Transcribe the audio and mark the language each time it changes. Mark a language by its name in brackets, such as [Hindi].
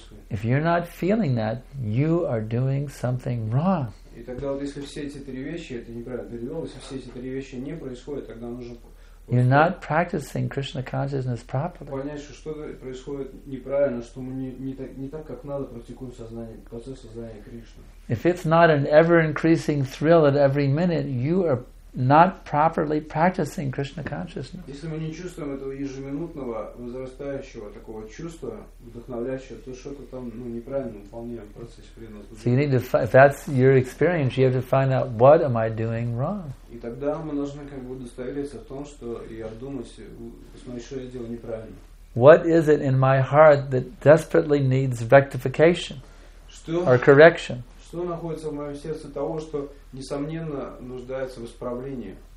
[English] If you're not feeling that, you are doing something wrong. [Russian] И тогда вот если все эти три вещи, это неправильно, если все эти три вещи не происходят, тогда нужно [English] you're not practicing Krishna consciousness properly. [Russian] Понять, что что-то происходит неправильно, что мы не так, как надо практикуем сознание, процесс сознания Кришны. [English] If it's not an ever-increasing thrill at every minute, you are not properly practicing Krishna consciousness. [Russian] Если мы не чувствуем этого ежеминутного возрастающего такого чувства, вдохновляющего, то что-то там неправильно выполняем процесс преданности. [English] So you need to, if that's your experience, you have to find out what am I doing wrong. [Russian] И тогда мы должны как бы удостовериться в том, что я думаю, смотри, что я делаю неправильно. [English] What is it in my heart that desperately needs rectification or correction? [Russian] Что находится в моем сердце того, что несомненно нуждается в исправлении?